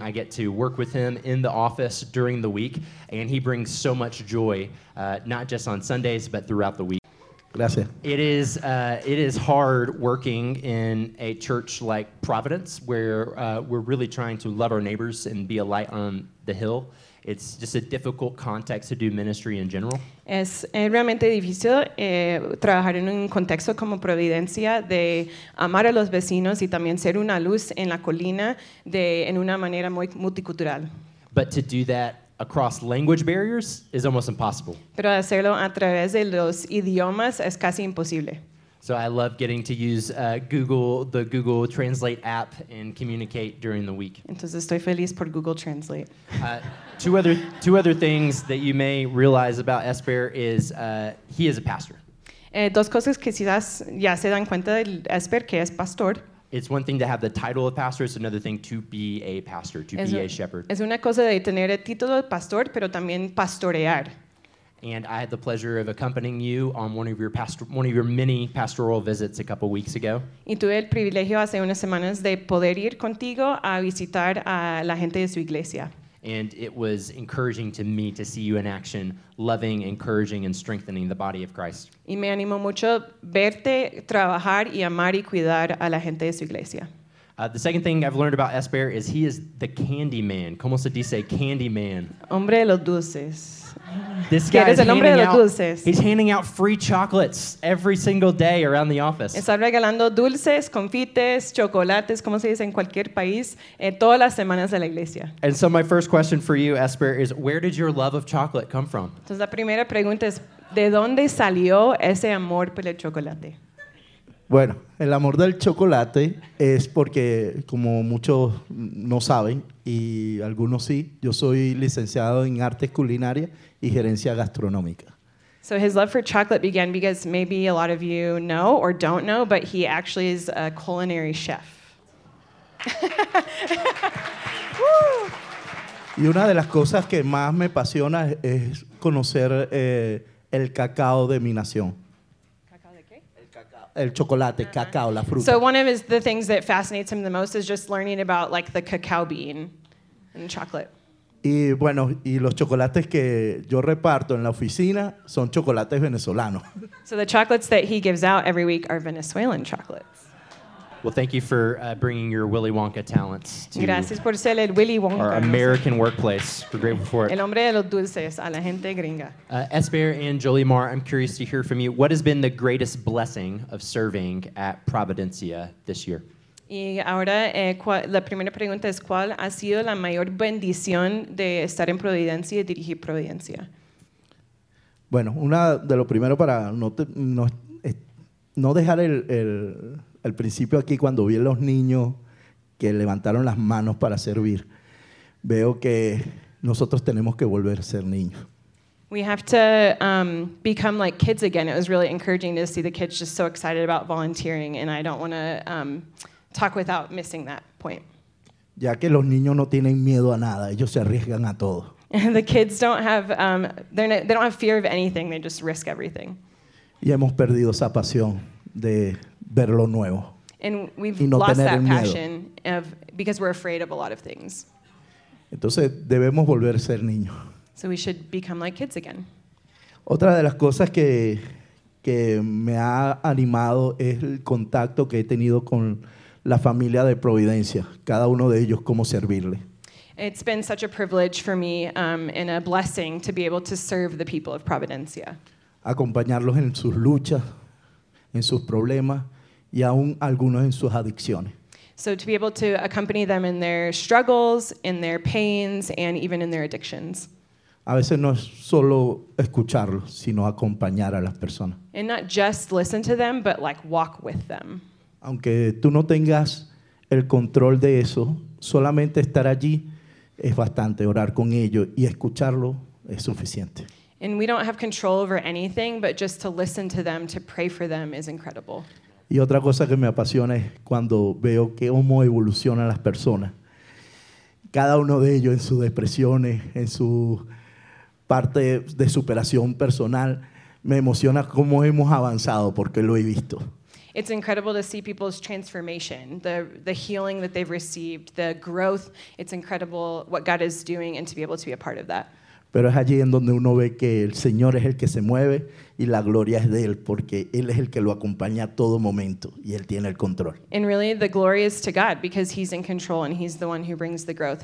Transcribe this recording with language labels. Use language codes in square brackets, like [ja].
[en] I get to work with him in the office during the week, and he brings so much joy, not just on Sundays, but throughout the week. [es] Gracias. [en] It is hard working in a church like Providence, where we're really trying to love our neighbors and be a light on the hill. It's just a difficult context to do ministry in general. [es] Es realmente difícil trabajar en un contexto como Providencia de amar a los vecinos y también ser una luz en la colina de en una manera muy multicultural. [en] But to do that across language barriers is almost impossible. [es] Pero hacerlo a través de los idiomas es casi imposible. [en] So I love getting to use the Google Translate app and communicate during the week. [es] Entonces estoy feliz por Google Translate. [en] Two other things that you may realize about Esper is he is a pastor. [es] Dos cosas que quizás ya se dan cuenta de Esper, que es pastor. [en] It's one thing to have the title of pastor. It's another thing to be a pastor, to be a shepherd. [es] Es una cosa de tener el título de pastor, pero también pastorear. [en] And I had the pleasure of accompanying you on one of your many pastoral visits a couple weeks ago. [es] Y tuve el privilegio hace unas semanas de poder ir contigo a visitar a la gente de su iglesia. [en] And it was encouraging to me to see you in action, loving, encouraging, and strengthening the body of Christ. [es] Y me animó mucho verte trabajar y amar y cuidar a la gente de su iglesia. [en] The second thing I've learned about Esper is he is the candy man. [es] ¿Cómo se dice [en] candy man? [es] Hombre de los dulces. [en] This guy is handing out free chocolates every single day around the office. [es] Está regalando dulces, confites, chocolates, como se dice en cualquier país, todas las semanas de la iglesia. And so my first question for you, Esper, is where did your love of chocolate come from? Entonces la primera pregunta es, ¿de dónde salió ese amor por el chocolate? Bueno, el amor del chocolate es porque, como muchos no saben, y algunos sí, yo soy licenciado en artes culinarias y gerencia gastronómica. [en] So his love for chocolate began because maybe a lot of you know or don't know, but he actually is a culinary chef. [es] Y una de las cosas que más me apasiona es conocer el cacao de mi nación. El chocolate, cacao, la fruta. [en] So one of the things that fascinates him the most is just learning about like the cacao bean and chocolate. [es] Y bueno, y los chocolates que yo reparto en la oficina son chocolates venezolanos. [en] So the chocolates that he gives out every week are Venezuelan chocolates. Well, thank you for bringing your Willy Wonka talents to [es] Gracias por ser el Willy Wonka. [en] Our American workplace. We're grateful for it. [es] El hombre de los dulces a la gente gringa. [en] Esper and Jolie Marr, I'm curious to hear from you. What has been the greatest blessing of serving at Providencia this year? [es] Y ahora la primera pregunta es, ¿cuál ha sido la mayor bendición de estar en Providencia y dirigir Providencia? Bueno, una de lo primero para no dejar el principio aquí cuando vi a los niños que levantaron las manos para servir. Veo que nosotros tenemos que volver a ser niños. [en] We have to become like kids again. It was really encouraging to see the kids just so excited about volunteering, and I don't want to talk without missing that point. [es] Ya que los niños no tienen miedo a nada, ellos se arriesgan a todo. [en] The kids don't have they don't have fear of anything. They just risk everything. [es] Y hemos perdido esa pasión de ver lo nuevo. [en] And we've lost that passion of because we're afraid of a lot of things. [es] Entonces debemos volver a ser niños. [en] So we should become like kids again. [es] Otra de las cosas que me ha animado es el contacto que he tenido con la familia de Providencia, cada uno de ellos cómo servirle. [en] It's been such a privilege for me and a blessing to be able to serve the people of Providencia. [es] Acompañarlos en sus luchas, en sus problemas y aún algunos en sus adicciones. [en] So to be able to accompany them in their struggles, in their pains, and even in their addictions. [es] A veces no es solo escucharlos, sino acompañar a las personas. [en] And not just listen to them, but like walk with them. [es] Aunque tú no tengas el control de eso, solamente estar allí es bastante, orar con ellos y escucharlo es suficiente. [en] And we don't have control over anything, but just to listen to them, to pray for them is incredible. [es] Y otra cosa que me apasiona es cuando veo cómo evolucionan las personas. Cada uno de ellos en sus depresiones, en su parte de superación personal, me emociona cómo hemos avanzado porque lo he visto. [en] It's incredible to see people's transformation, the healing that they've received, the growth. It's incredible what God is doing and to be able to be a part of that. [es] Pero es allí en donde uno ve que el Señor es el que se mueve y la gloria es de Él, porque Él es el que lo acompaña a todo momento y Él tiene el control. [en] And really, the glory is to God because He's in control and He's the one who brings the growth.